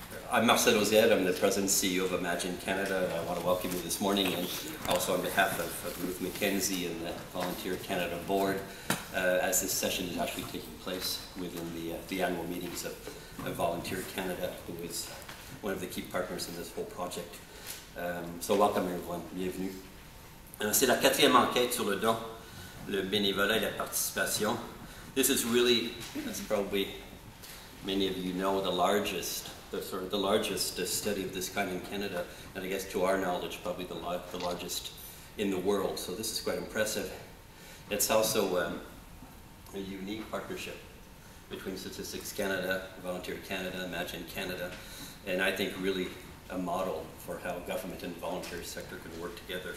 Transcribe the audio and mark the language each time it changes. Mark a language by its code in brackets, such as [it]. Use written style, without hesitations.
[en] I'm Marcel Lauzière, I'm the President and CEO of Imagine Canada. I want to welcome you this morning, and also on behalf of Ruth McKenzie and the Volunteer Canada Board, as this session is actually taking place within the annual meetings of Volunteer Canada, who is one of the key partners in this whole project. So welcome everyone, [fr] bienvenue. C'est la quatrième enquête sur le don, le bénévolat et la participation. [en] This is really, as probably many of you know, the largest study of this kind in Canada, and I guess to our knowledge, probably the largest in the world. So this is quite impressive. It's also a unique partnership between Statistics Canada, Volunteer Canada, Imagine Canada, and I think really a model for how government and the voluntary sector can work together.